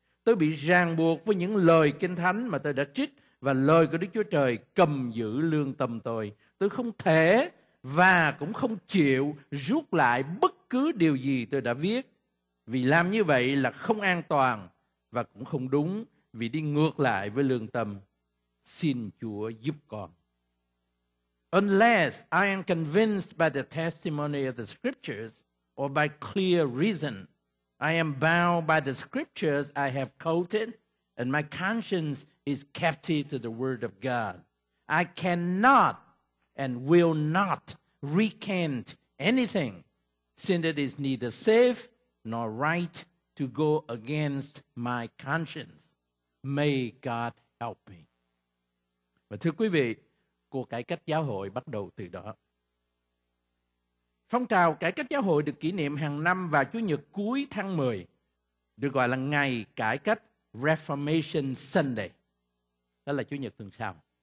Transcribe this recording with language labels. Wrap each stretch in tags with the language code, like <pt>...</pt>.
<vi>Tôi bị ràng buộc với những lời Kinh Thánh mà tôi đã trích và lời của Đức Chúa Trời cầm giữ lương tâm tôi. Tôi không thể và cũng không chịu rút lại bất cứ điều gì tôi đã viết, vì làm như vậy là không an toàn và cũng không đúng, vì đi ngược lại với lương tâm. Xin Chúa giúp con.</vi> <en>Unless I am convinced by the testimony of the scriptures or by clear reason, I am bound by the scriptures I have quoted and my conscience is captive to the word of God. I cannot and will not recant anything, since it is neither safe nor right to go against my conscience. May God help me.</en> <vi>Và thưa quý vị, cuộc cải cách giáo hội bắt đầu từ đó. Phong trào cải cách giáo hội được kỷ niệm hàng năm vào Chủ nhật cuối tháng 10, được gọi là ngày cải cách Reformation Sunday. Đó là Chủ nhật tuần sau.</vi>